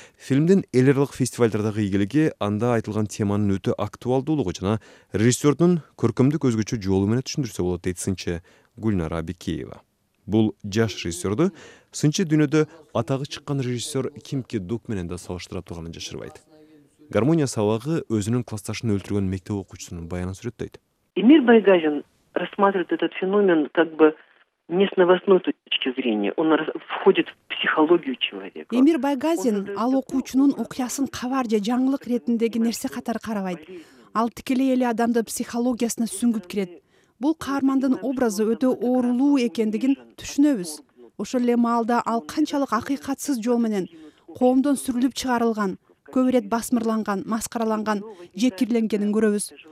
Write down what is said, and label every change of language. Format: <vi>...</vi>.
<ky>Фильмдин эл аралык фестивалдардагы ийгилиги, анда айтылган теманын өтө актуалдуулугу жана режиссердун көркөмдүк өзгөчө жолу менен түшүндүрсө болот, дейт сынчы Гүлнара Бекеева. Бул жаш режиссерди сынчы дүйнөдө атагы чыккан режиссер Кимки Дук менен да салыштыра турганын жашырбайт. «Гармония сабагы» өзүнүн классташын өлтүргөн мектеп окуучусунун баянын сүрөттөйт.</ky> <ru>Эмир Байгазин рассматривает этот феномен как бы не с новостной точки зрения. Он входит в психологию человека.</ru> <ky>Эмир Байгазин ал окуучунун окуясын кабар же жаңылык ретиндеги нерсе катары карабайт. Ал тикелей эле адамды психологиясына сүңгүп кирет. Бул каармандын образы өтө оорулуу экендигин түшүнөбүз. Ошол эле маалда ал канчалык акыйкатсыз жол менен коомдон сүрүлүп чыгарылган, көп ирет басмырланган, маскараланган, жекирленгенин көрөбүз.</ky>